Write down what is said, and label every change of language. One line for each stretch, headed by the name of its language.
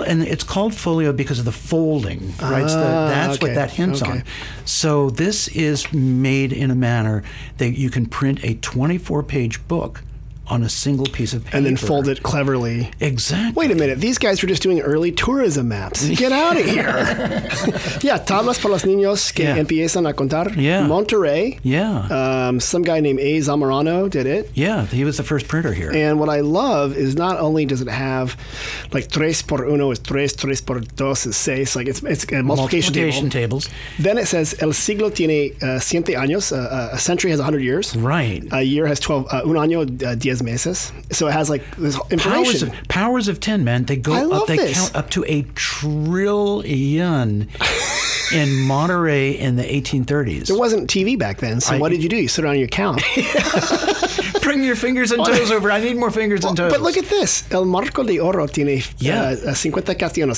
English: and it's called folio because of the folding, right? So that's what that hints on. So this is made in a manner that you can print a 24-page book on a single piece of paper. And then fold it cleverly. Exactly. Wait a minute. These guys were just doing early tourism maps. Get out of here.
Spanish: Tablas para los niños que empiezan a contar.
English: Yeah. Monterey. Yeah. Some guy named A. Zamorano did it. Yeah. He was the first printer here. And what I love is not only does it have like
Spanish: tres por uno
English: is
Spanish: tres, tres por dos
English: is
Spanish: seis.
English: Like it's a multiplication table. Tables. Then it says
Spanish: el siglo tiene ciento años.
English: A century has 100 years. Right. A year has 12.
Spanish: Un año 10 meses.
English: So it has like this information. Powers of 10, man. They go up, they count up to a trillion in Monterey in the 1830s. There wasn't TV back then. So what did you do? You sit on your count. Bring your fingers and toes over. I need more fingers and toes. But look at this.
Spanish: El marco de oro tiene 50 castellanos.